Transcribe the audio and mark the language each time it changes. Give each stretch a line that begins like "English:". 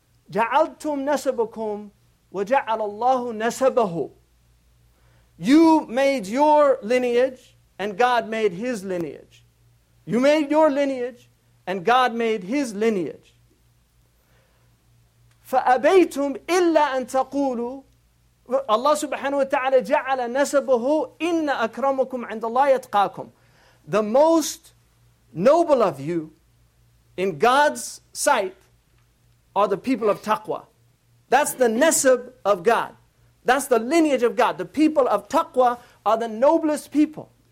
Arabic: Ja'altum nasabakum wa ja'ala Allahu nasabahu.
English: You made your lineage and God made His lineage. You made your lineage and God made His lineage.
Arabic: فَأَبَيْتُمْ إِلَّا أَن تَقُولُوا Allah subhanahu wa ta'ala ja'ala nasabahu إِنَّ أَكْرَمُكُمْ عِنْدَ اللَّهِ يَتْقَاكُمْ.
English: The most noble of you in God's sight are the people of taqwa. That's the nasab of God. That's the lineage of God. The people of taqwa are the noblest people.